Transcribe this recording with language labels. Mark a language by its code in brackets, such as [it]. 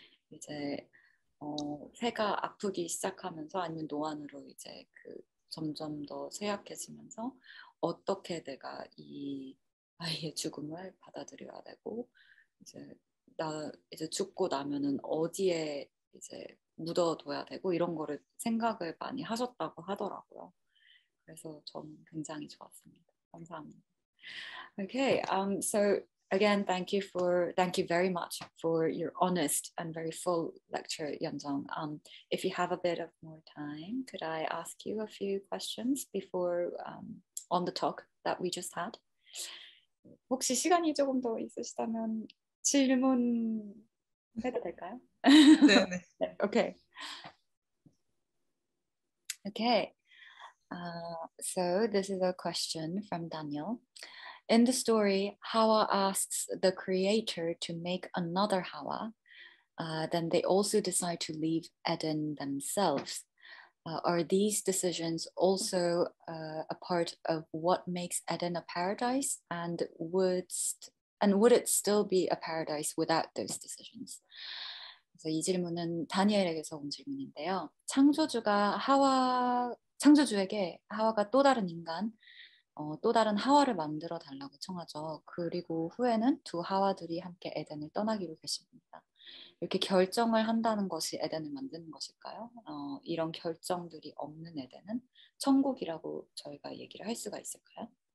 [ko] 이제 새가 아프기 시작하면서 아니면 노안으로 이제 그 점점 더 쇠약해지면서 어떻게 내가 이 아이의 죽음을 받아들여야 되고 이제 나 이제 죽고 나면은 어디에 이제 묻어둬야 되고 이런 거를 생각을 많이 하셨다고 하더라고요. 그래서 전 굉장히 좋았습니다. 감사합니다. [en] Okay, so again, thank you very much for your honest and very full lecture, Yeonjeong. If you have a bit of more time, could I ask you a few questions before on the talk that we just had? [ko] 혹시 시간이 조금 더 있으시다면 질문 해도 될까요? 네, 네. [en] Okay. Okay. So this is a question from Daniel. In the story, HAWWAH asks the creator to make another HAWWAH. Then they also decide to leave Eden themselves. Are these decisions also a part of what makes Eden a paradise? And would it still be a paradise without those decisions? [ko] 그래서 이 질문은 다니엘에게서 온 질문인데요. 창조주에게 하와가 또 다른 인간, 또 다른 하와를 만들어 달라고 청하죠. 그리고 후에는 두 하와들이 함께 에덴을 떠나기로 결심합니다. 이렇게 결정을 한다는 것이 에덴을 만드는 것일까요? 이런 결정들이 없는 에덴은 천국이라고 저희가 얘기를 할 수가 있을까요?